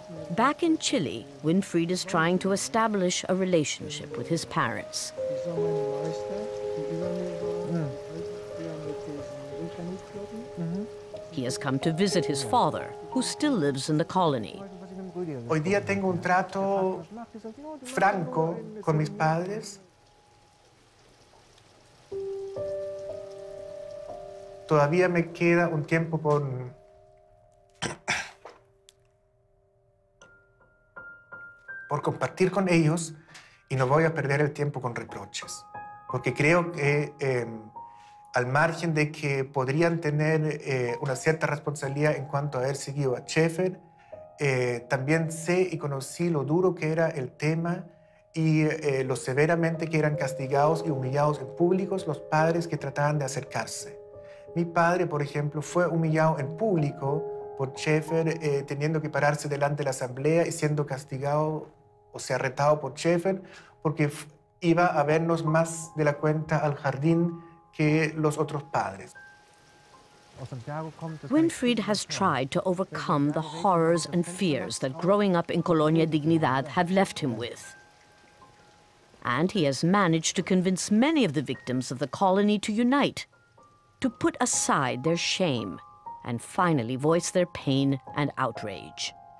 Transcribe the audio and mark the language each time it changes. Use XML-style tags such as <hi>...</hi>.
<en>Back in Chile, Winfried is trying to establish a relationship with his parents. has come to visit his father, who still lives in the colony.</en> <es>Hoy día tengo un trato franco con mis padres. Todavía me queda un tiempo con... por compartir con ellos y no voy a perder el tiempo con reproches. Porque creo que, al margen de que podrían tener una cierta responsabilidad en cuanto a haber seguido a Schaefer, también sé y conocí lo duro que era el tema y lo severamente que eran castigados y humillados en público los padres que trataban de acercarse. Mi padre, por ejemplo, fue humillado en público por Schaefer teniendo que pararse delante de la asamblea y siendo castigado, o sea, retado por Schaefer, porque iba a vernos más de la cuenta al jardín que los otros padres.</es> <en>Winfried has tried to overcome the horrors and fears that growing up in Colonia Dignidad have left him with. And he has managed to convince many of the victims of the colony to unite, to put aside their shame, and finally voice their pain and outrage.</en>